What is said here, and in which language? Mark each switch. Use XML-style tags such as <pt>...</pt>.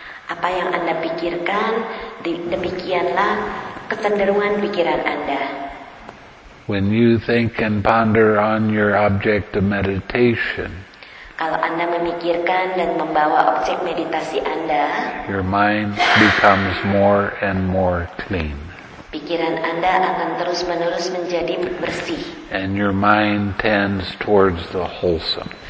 <id>Apa yang Anda pikirkan, demikianlah kecenderungan pikiran Anda.</id> <en>When you think and ponder on your object of meditation,</en> <id>kalau Anda memikirkan dan membawa objek meditasi Anda,</id> <en>your mind becomes more and more clean.</en> <id>Pikiran Anda akan terus-menerus menjadi bersih.</id> <en>And your mind tends towards the wholesome.</en>